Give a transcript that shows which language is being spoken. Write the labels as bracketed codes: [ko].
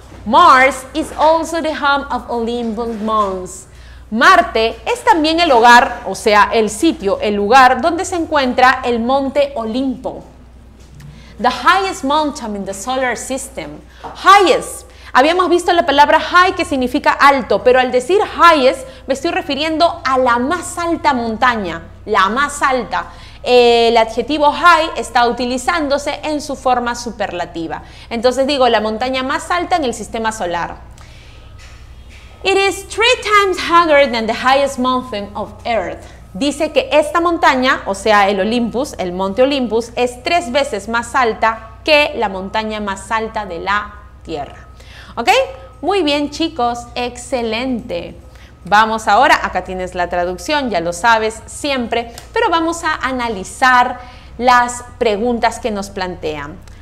[en] Mars is also the home of Olympus Mons. [es] Marte es también el hogar, o sea, el sitio, el lugar donde se encuentra el monte Olimpo. [en] The highest mountain in the solar system. Highest. [es] Habíamos visto la palabra high que significa alto, pero al decir highest me estoy refiriendo a la más alta montaña, la más alta. El adjetivo high está utilizándose en su forma superlativa. Entonces digo, la montaña más alta en el sistema solar. [en] It is three times higher than the highest mountain of Earth. [es] Dice que esta montaña, o sea, el Olympus, el monte Olympus, es tres veces más alta que la montaña más alta de la Tierra. ¿Ok? Muy bien, chicos. Excelente. Vamos ahora, acá tienes la traducción, ya lo sabes siempre, pero vamos a analizar las preguntas que nos plantean.